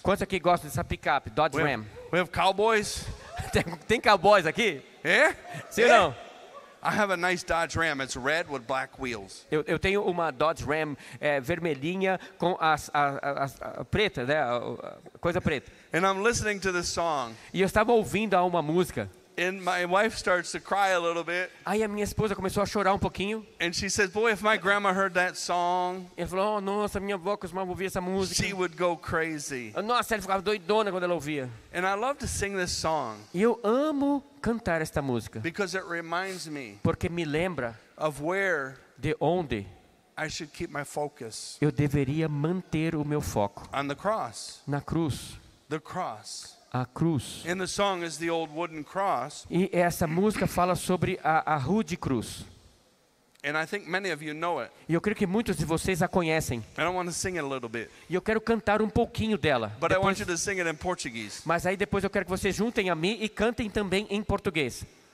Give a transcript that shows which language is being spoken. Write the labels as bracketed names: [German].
[Portuguese] Quantos aqui gostam dessa picape, Dodge Ram? [English] We have cowboys. [Portuguese] Tem cowboys aqui? É? Sim ou não? [English] I have a nice Dodge Ram. It's red with black wheels. [Portuguese] Eu tenho uma Dodge Ram vermelhinha com a preta, né? Coisa preta. [English] And I'm listening to this song. [Portuguese] E eu estava ouvindo uma música. [English] And my wife starts to cry a little bit. [Portuguese] Aí a minha esposa começou a chorar pouquinho. [English] And she says, "Boy, if my grandma heard that song." [Portuguese] Ela falou, oh, nossa, minha avó costumava ouvir essa música. [English] She would go crazy. [Portuguese] Nossa, ela ficava doidona quando ela ouvia. [English] And I love to sing this song. [Portuguese] Eu amo cantar esta música. [English] Because it reminds me. [Portuguese] Porque me lembra. [English] Of where. [Portuguese] De onde. [English] I should keep my focus. [Portuguese] Eu deveria manter o meu foco. [English] On the cross. [Portuguese] Na cruz. [English] The cross. [Portuguese] A cruz. [English] And the song is the old wooden cross. [Portuguese] E essa música fala sobre a rude cruz. [English] And I think many of you know it. [Portuguese] E eu creio que muitos de vocês a conhecem. [English] And I want to sing it a little bit. [Portuguese] E eu quero cantar pouquinho dela. [English] But [Portuguese] depois, [English] I want you to sing it in Portuguese. [Portuguese] Mas aí depois eu quero que vocês juntem a mim e cantem também em português.